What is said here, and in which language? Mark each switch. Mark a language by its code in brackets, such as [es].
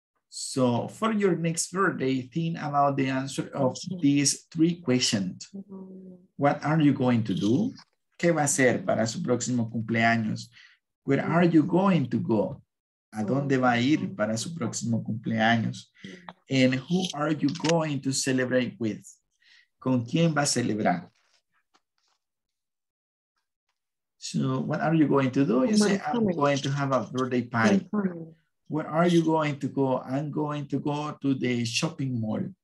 [en] So for your next birthday, think about the answer of these three questions. What are you going to do? [es] ¿Qué va a hacer para su próximo cumpleaños? [en] Where are you going to go? [es] ¿A dónde va a ir para su próximo cumpleaños? [en] And who are you going to celebrate with? [es] ¿Con quién va a celebrar? [en] So what are you going to do? You say, I'm going to have a birthday party. Where are you going to go? I'm going to go to the shopping mall.